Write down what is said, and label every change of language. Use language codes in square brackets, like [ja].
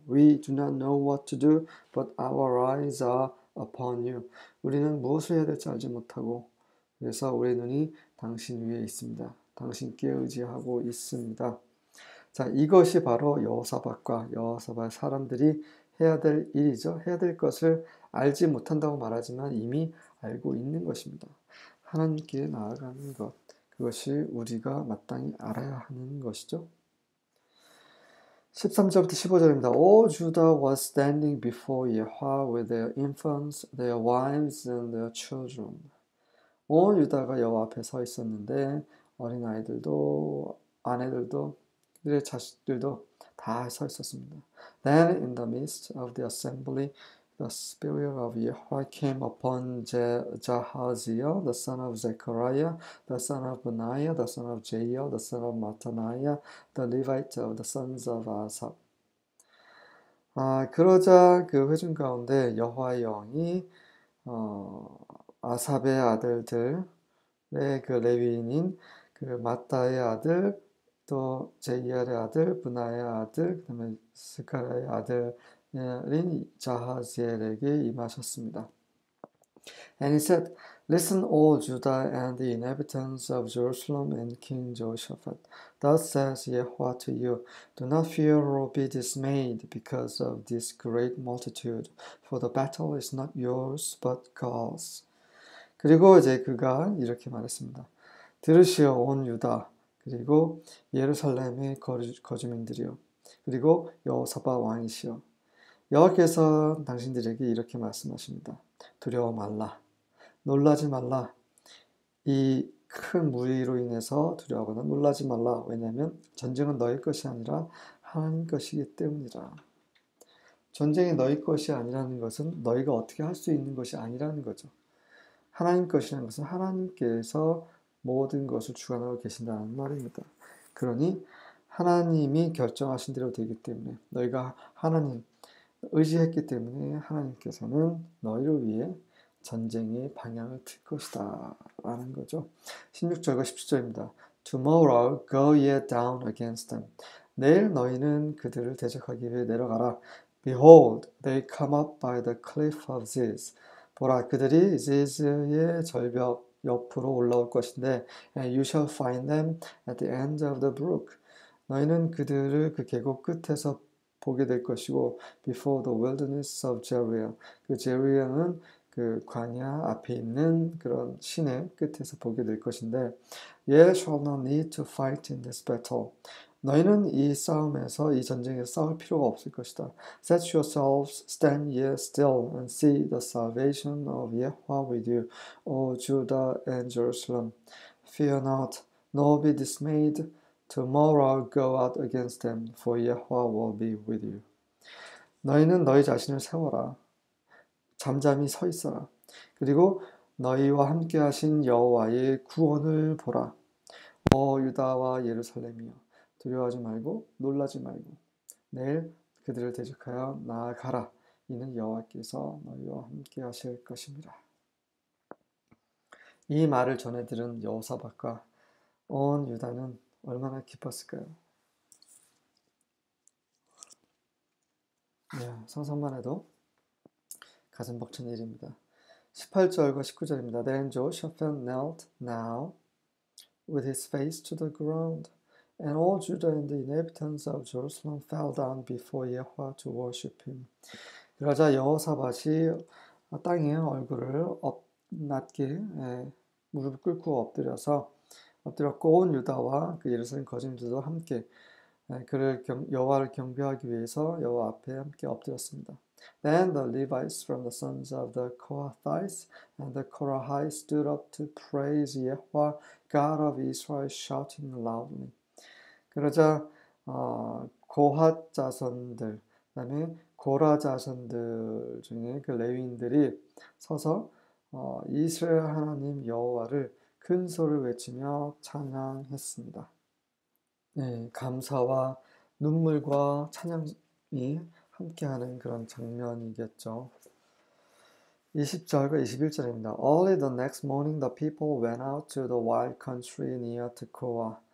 [en] We do not know what to do, but our eyes are upon you. [ko] 우리는 무엇을 해야 될지 알지 못하고, 그래서 우리의 눈이 당신 위에 있습니다. 당신께 의지하고 있습니다. 자, 이것이 바로 여호사밧 사람들이 해야 될 일이죠. 해야 될 것을 알지 못한다고 말하지만 이미 알고 있는 것입니다. 하나님께 나아가는 것, 그것이 우리가 마땅히 알아야 하는 것이죠. 13절부터 15절입니다. [en] All Judah was standing before Yahweh with their infants, their wives, and their children. [ko] 온 유다가 여호와 앞에 서 있었는데 어린아이들도 아내들도 그들의 자식들도 다서 있었습니다. [en] Then in the midst of the assembly, the spirit of Yahweh came upon Jahaziel, the son of Zechariah, the son of Benaiah, the son of Jeiel, the son of Mattaniah, the Levite of the sons of Asaph. [ko] 그러자 그 회중 가운데 여호와의 영이 아삽의 아들들의 그 레위인인 그 마따의 아들 또 제이알의 아들, 분하의 아들, 그다음에 스카라의 아들인 자하지엘에게 임하셨습니다. [en] And he said, Listen, all Judah and the inhabitants of Jerusalem and King Jehoshaphat. Thus says Yahweh to you, Do not fear or be dismayed because of this great multitude, for the battle is not yours but God's. [ko] 그리고 이제 그가 이렇게 말했습니다. 들으시오, 온 유다. 그리고 예루살렘의 거주민들이요. 그리고 여호사밧 왕이시여. 여호와께서 당신들에게 이렇게 말씀하십니다. 두려워 말라. 놀라지 말라. 이큰 무리로 인해서 두려워하거나 놀라지 말라. 왜냐하면 전쟁은 너희 것이 아니라 하나님 것이기 때문이라. 전쟁이 너희 것이 아니라는 것은 너희가 어떻게 할수 있는 것이 아니라는 거죠. 하나님 것이라는 것은 하나님께서 모든 것을 주관하고 계신다는 말입니다. 그러니 하나님이 결정하신 대로 되기 때문에 너희가 하나님 의지했기 때문에 하나님께서는 너희를 위해 전쟁의 방향을 틀 것이다 라는 거죠. 16절과 17절입니다. [en] Tomorrow go ye down against them. [ko] 내일 너희는 그들을 대적하기 위해 내려가라. [en] Behold, they come up by the cliff of Ziz. [ko] 보라, 그들이 Ziz의 절벽 옆으로 올라올 것인데, [en] and you shall find them at the end of the brook. [ko] 너희는 그들을 그 계곡 끝에서 보게 될 것이고, [en] before the wilderness of Jeruel. [ko] 그 Jeruel은 그 광야 앞에 있는 그런 시내 끝에서 보게 될 것인데, [en] You shall not need to fight in this battle. [ko] 너희는 이 싸움에서, 이 전쟁에서 싸울 필요가 없을 것이다. [en] Set yourselves, stand ye still, and see the salvation of Yahweh with you, O Judah and Jerusalem. Fear not, nor be dismayed. Tomorrow go out against them, for Yahweh will be with you. [ko] 너희는 너희 자신을 세워라. 잠잠히 서 있어라. 그리고 너희와 함께 하신 여호와의 구원을 보라. 오 유다와 예루살렘이여, 두려워하지 말고 놀라지 말고 내일 그들을 대적하여 나아가라. 이는 여호와께서 너희와 함께 하실 것입니다. 이 말을 전해 들은 여호사밧과 온 유다는 얼마나 기뻤을까요? 네, 상상만 해도 가슴 벅찬 일입니다. 18절과 19절입니다. [en] Then Jehoshaphat knelt now with his face to the ground, and all Judah and the inhabitants of Jerusalem fell down before Yahweh to worship him. [ko] 그러자 여호사밧이 땅에 얼굴을 낮게 무릎 꿇고 엎드렸고, 온 유다와 그 예루살렘 거민들도 함께 여호와를 경배하기 위해서 여호와 앞에 함께 엎드렸습니다. [en] Then the Levites from the sons of the Kohathites and the Korahites stood up to praise Yahweh, God of Israel, shouting loudly. [ko] 그러자 고핫 자손들, 그다음에 고라 자손들 중에 그 레위인들이 서서 이스라엘 하나님 여호와를 큰 소리를 외치며 찬양했습니다. 네, 감사와 눈물과 찬양이 함께하는 그런 장면이겠죠. 20절과 21절입니다. [en] Early the next morning, the people went out to the wild country near Tekoa.